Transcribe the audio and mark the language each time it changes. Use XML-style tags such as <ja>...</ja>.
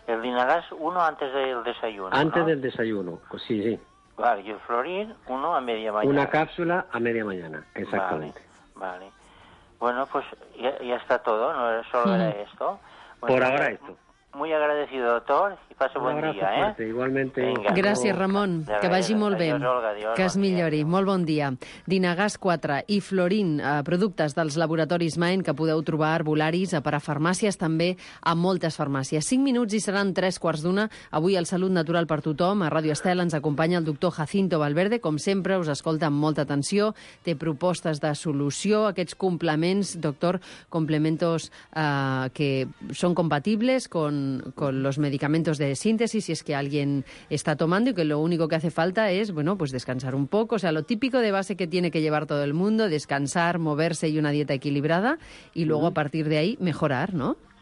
<es>El Dinagas, uno antes del desayuno, antes, ¿no?, del desayuno, pues sí, sí. Vale, y el Florín, uno a media mañana. Una cápsula a media mañana, exactamente. Vale. Bueno, pues ya está todo, no era solo esto. Bueno, por ahora esto. Muy agradecido, doctor, y paso buen día, fuerte, ¿eh? Igualmente.</es> <ca>Venga, gràcies, Ramon, que vagi molt bé.</ca> <es>Adiós, Olga, adiós,</es> <ca>que es millori. Molt bon dia. Dinagàs 4 i Florin, productes dels laboratoris Maine que podeu trobar a Arbolaris, a parafarmàcies, també a moltes farmàcies. 5 minuts i seran 3 quarts d'una. Avui el Salut Natural per tothom. A Ràdio Estel ens acompanya el doctor Jacinto Valverde. Com sempre, us escolta amb molta atenció. Té propostes de solució. Aquests complements,</ca> <es>doctor, complementos que són compatibles con los medicamentos de síntesis, si es que alguien está tomando y que lo único que hace falta es, bueno, pues descansar un poco. O sea, lo típico de base que tiene que llevar todo el mundo, descansar, moverse y una dieta equilibrada, y luego a partir de ahí mejorar, ¿no?</es>